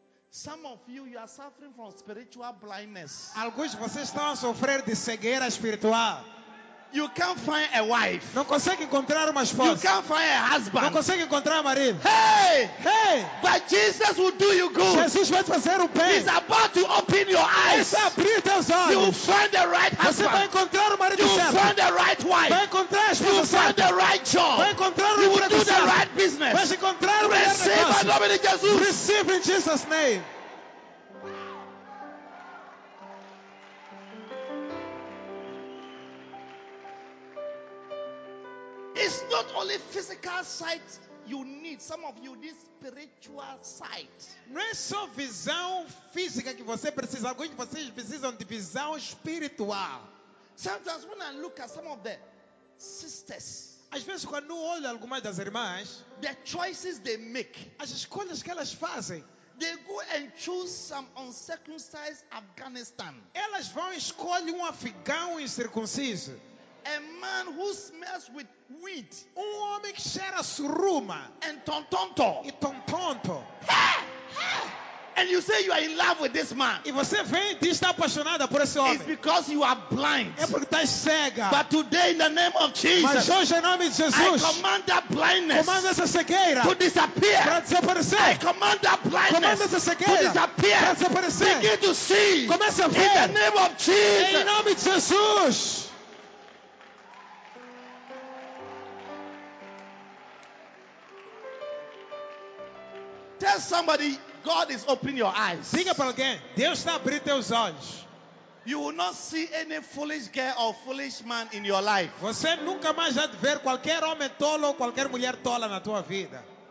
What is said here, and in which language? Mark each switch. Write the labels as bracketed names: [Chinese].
[English] Some of you are suffering from spiritual blindness. [Portuguese] Alguns de vocês estão a sofrer de cegueira espiritual. [English] You can't find a wife. [Portuguese] Não consegue encontrar uma esposa. [English] You can't find a husband. [Portuguese] Não consegue encontrar marido. Hey, hey! [English] But Jesus will do you good. [Portuguese] Jesus vai te fazer o bem. [English] He's about to open your eyes. [Portuguese] Ele está abrindo teus olhos. [English] You find the right husband. [Portuguese] Você vai encontrar o marido [English] you [Portuguese] certo. [English] You find the right wife. [Portuguese] Vai encontrar a esposa [English] you [Portuguese] certa. [English] You find the right job. [Portuguese] Vai encontrar o [English] you [Portuguese] emprego do certo. [English] You do the right business. [Portuguese] Vai encontrar o melhor negócio. Receba em nome de Jesus. [English] Receive in Jesus' name. It's not only physical sight you need. Some of you need spiritual sight. [Portuguese] Não é só visão física que você precisa. Alguns de vocês precisam de visão espiritual. [English] Sometimes when I look at some of the sisters, [Portuguese] às vezes quando eu olho algumas das irmãs, [English] the choices they make, [Portuguese] as escolhas que elas fazem, [English] they go and choose some uncircumcised Afghanistan. [Portuguese] Elas vão escolher afegão incircunciso. [English] A man who smells with weed. [Portuguese] Um homem que cheira suruma. [English] And tontonto. [Portuguese] E tontonto. [English] And you say you are in love with this man. [Portuguese] E você vem e diz que está apaixonada por esse homem. [English] It's because you are blind. [Portuguese] É porque estás cega. [English] But today in the name of Jesus. [Portuguese] Mas hoje em nome de Jesus. [English] I command that blindness. [Portuguese] Comando essa cegueira. [English] To disappear. [Portuguese] Para desaparecer. [English] I command that blindness. [Portuguese] Comando essa cegueira. [English] To disappear. [Portuguese] Para desaparecer. [English] Begin to see. [Portuguese] Comece a ver. [English] In the name of Jesus. [Portuguese] Em nome de Jesus. [English] Tell somebody God is opening your eyes. [Portuguese] Diga para alguém, Deus está abrindo teus olhos. [English] You will not see any foolish girl or foolish man in your life. [Portuguese] Você nunca mais vai ver qualquer homem tolo ou qualquer mulher tola na tua vida.